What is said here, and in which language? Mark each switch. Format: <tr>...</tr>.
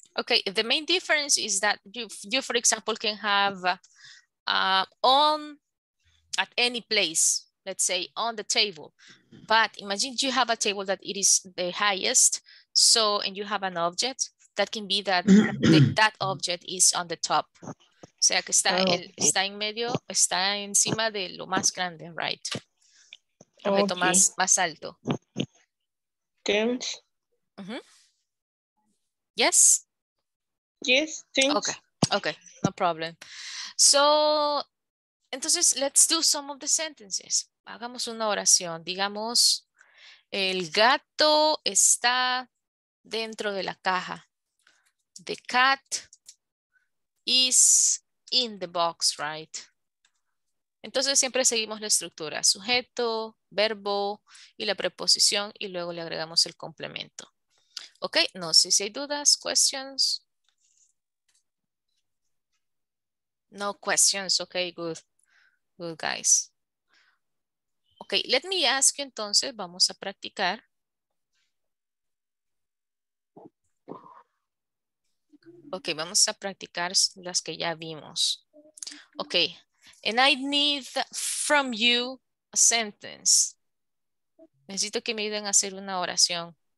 <en>Okay, the main difference is that you for example, can have on at any place, let's say on the table. But imagine you have a table that it is the highest, so, and you have an object, that can be that that object is on the top.</en> <es>O sea, que está, el, está en medio, está encima de lo más grande,</es> <en>right?</en> <es>Objeto okay. más alto. Mm-hmm.</es> <en>Yes? Yes, thanks. Okay, okay, no problem. So,</en> <es>entonces,</es> <en>let's do some of the sentences.</en> <es>Hagamos una oración. Digamos, el gato está dentro de la caja.</es> <en>The cat is in the box, right?</en> <es>Entonces, siempre seguimos la estructura. Sujeto, verbo y la preposición y luego le agregamos el complemento. Ok, no sé si hay dudas,</es> <en>questions. No questions, ok, good. Good guys. Ok, let me ask you</en> <es>entonces, vamos a practicar. Ok, vamos a practicar las que ya vimos.</es> <en>Ok, and I need from you a sentence.</en> <es>Necesito que me ayuden a hacer una oración.</es>